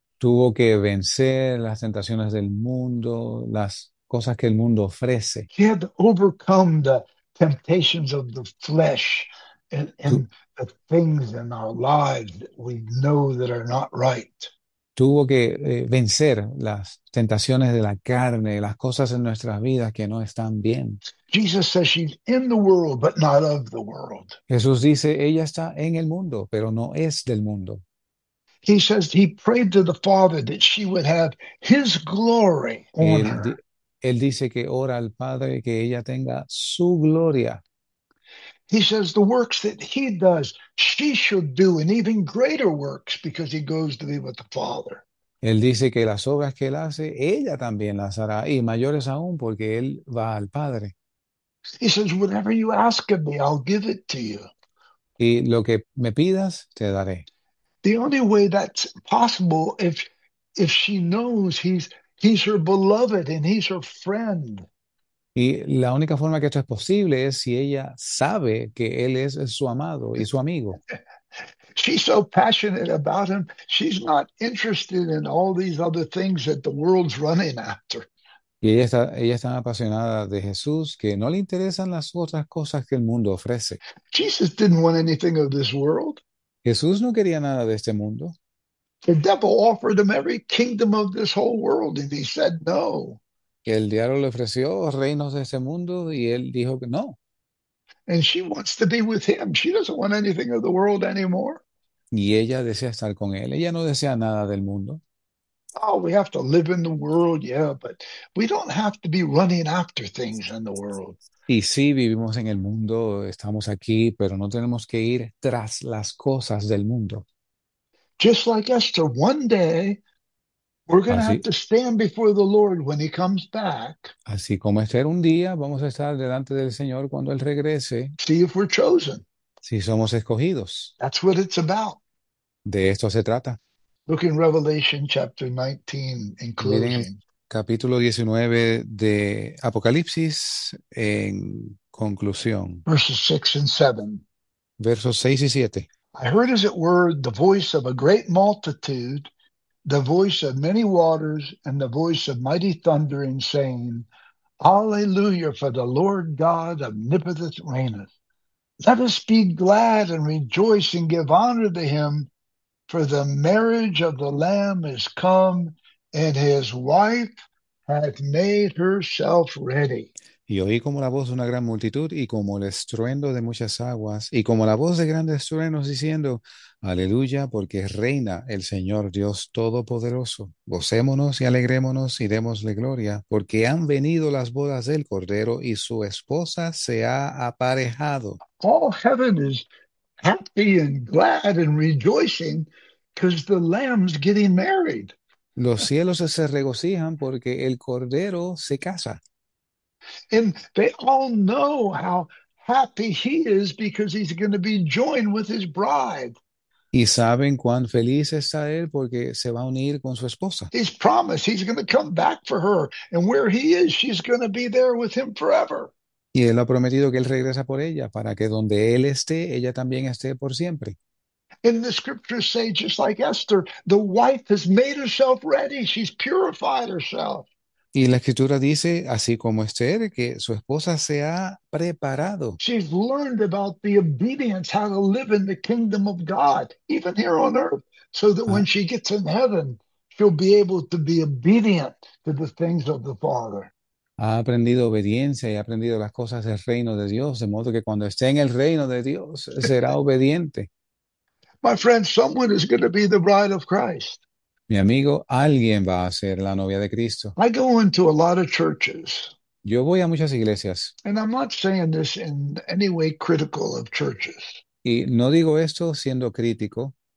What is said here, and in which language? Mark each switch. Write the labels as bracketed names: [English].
[Spanish] Tuvo que vencer las tentaciones del mundo, las cosas que el mundo ofrece. [English] She had to overcome the temptations of the flesh and the things in our lives that we know that are not right. [Spanish] Tuvo que vencer las tentaciones de la carne, las cosas en nuestras vidas que no están bien. [English] Jesus says she's in the world, but not of the world. [Spanish] Jesús dice, ella está en el mundo, pero no es del mundo. [English] He says he prayed to the Father that she would have his glory on her. [Spanish] Él dice que ora al Padre que ella tenga su gloria. [English] He says the works that he does, she should do, and even greater works because he goes to be with the Father. [Spanish] Él dice que las obras que él hace, ella también las hará, y mayores aún porque él va al Padre. [English] He says, whatever you ask of me, I'll give it to you. [Spanish] Y lo que me pidas, te daré. [English] The only way that's possible if she knows he's her beloved and he's her friend. [Spanish] Y la única forma que esto es posible es si ella sabe que él es su amado y su amigo. [English] She's so passionate about him, she's not interested in all these other things that the world's running after. [Spanish] Y ella está tan apasionada de Jesús que no le interesan las otras cosas que el mundo ofrece. [English] Jesus didn't want anything of this world. [Spanish] Jesús no quería nada de este mundo. [English] The devil offered him every kingdom of this whole world, and he said no. [Spanish] El diablo le ofreció reinos de este mundo y él dijo que no. [English] And she wants to be with him. She doesn't want anything of the world anymore. [Spanish] Y ella desea estar con él. Ella no desea nada del mundo. [English] Oh, we have to live in the world, yeah, but we don't have to be running after things in the world. [Spanish] Y sí, vivimos en el mundo, estamos aquí, pero no tenemos que ir tras las cosas del mundo. [English] Just like Esther, one day we're going to have [Spanish] Así. [English] to stand before the Lord when he comes back. [Spanish] Así como Esther, un día vamos a estar delante del Señor cuando Él regrese, [English] See if we're chosen. [Spanish] si somos escogidos. [English] That's what it's about. [Spanish] De esto se trata. [English] Look in Revelation chapter 19 in [Spanish] Miren el [English] closing. [Spanish] capítulo 19 de Apocalipsis en conclusión. [English] Verses 6 and 7. [Spanish] Versos 6 y 7. [English] I heard, as it were, the voice of a great multitude, the voice of many waters, and the voice of mighty thundering, saying, Alleluia, for the Lord God omnipotent reigneth. Let us be glad and rejoice and give honor to him, for the marriage of the Lamb is come, and his wife hath made herself ready. [Spanish] Y oí como la voz de una gran multitud y como el estruendo de muchas aguas y como la voz de grandes truenos diciendo, Aleluya, porque reina el Señor Dios Todopoderoso. Gocémonos y alegrémonos y démosle gloria, porque han venido las bodas del Cordero y su esposa se ha aparejado. [English] All heaven is happy and glad and rejoicing because the lamb's getting married. [Spanish] Los cielos se regocijan porque el Cordero se casa. [English] And they all know how happy he is because he's going to be joined with his bride. [Spanish] Y saben cuán feliz está él porque se va a unir con su esposa. [English] He's promised he's going to come back for her, and where he is, she's going to be there with him forever. [Spanish] Y él ha prometido que él regresa por ella para que donde él esté, ella también esté por siempre. [English] And the scriptures say, just like Esther, the wife has made herself ready. She's purified herself. [Spanish] Y la escritura dice, así como Esther, que su esposa se ha preparado. [English] She's learned about the obedience, how to live in the kingdom of God, even here on earth, so that when she gets in heaven, she'll be able to be obedient to the things of the Father. [Spanish] Ha aprendido obediencia y ha aprendido las cosas del reino de Dios, de modo que cuando esté en el reino de Dios será obediente. [English] My friend, someone is going to be the bride of Christ. [Spanish] Mi amigo, alguien va a ser la novia de Cristo. [English] I go into a lot of churches, [Spanish] Yo voy a muchas iglesias. [English] and I'm not saying this in any way critical of churches. [Spanish] Y no digo esto siendo crítico.